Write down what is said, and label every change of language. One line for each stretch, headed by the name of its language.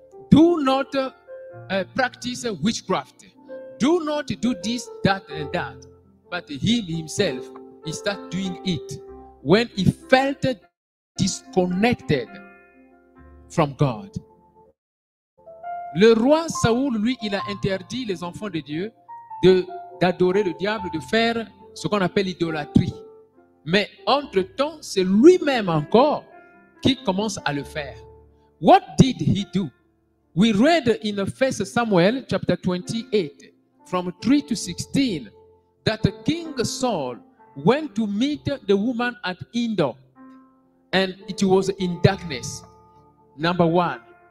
English: Do not practice witchcraft. Do not do this, that, and that. But he himself, he started doing it when he felt disconnected from God.
French: Le roi Saoul, lui, il a interdit les enfants de Dieu d'adorer le diable, de faire ce qu'on appelle l'idolâtrie. Mais entre-temps, c'est lui-même encore qui commence à le faire.
English: What did he do? We read in 1 Samuel chapter 28 from 3 to 16 that King Saul went to meet the woman at Endor and it was in darkness. Number one.